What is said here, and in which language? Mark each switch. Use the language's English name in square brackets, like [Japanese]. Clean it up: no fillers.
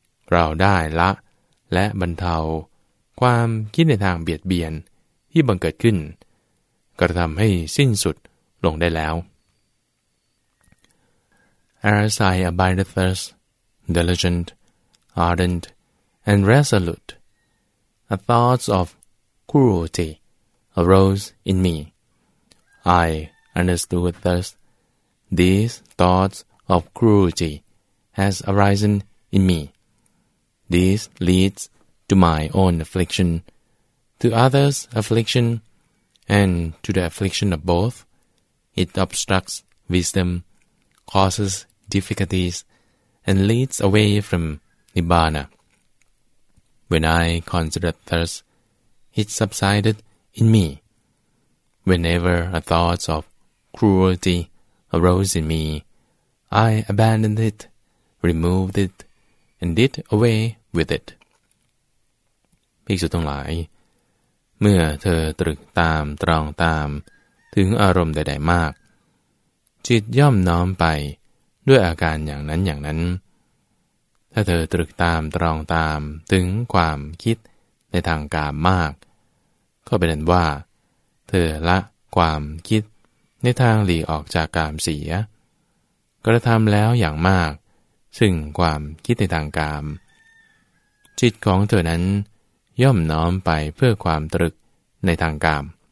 [Thai] เราได้ละและบรรเทาความคิดในทางเบียดเบียนที่บังเกิดขึ้นกระทำให้สิ้นสุดลงได้แล้ว [English] As I abideth thus, diligent, ardent, and resolute, a thoughts of cruelty arose in me. I understood thus, these thoughts of cruelty has arisen in me. This leads to my own affliction, to others' affliction, and to the affliction of both. It obstructs wisdom, causes difficulties, and leads away from Nibbana. When I considered thus, it subsided in me. Whenever a thought of cruelty arose in me, I abandoned it, removed it, and did away with it. [Thai] ภิกษุทั้งหลายเมื่อเธอตรึกตามตรองตามถึงอารมณ์ใดๆมากจิตย่อมน้อมไปด้วยอาการอย่างนั้นอย่างนั้น ถ้าเธอตรึกตามตรองตามถึงความคิดในทางกามมากก็เป็นอันว่าเธอละความคิดในทางหลีกออกจากกามเสียกระทำแล้วอย่างมากซึ่งความคิดในทางกามจิตของเธอนั้นย่อมน้อมไปเพื่อความตรึกในทางกาม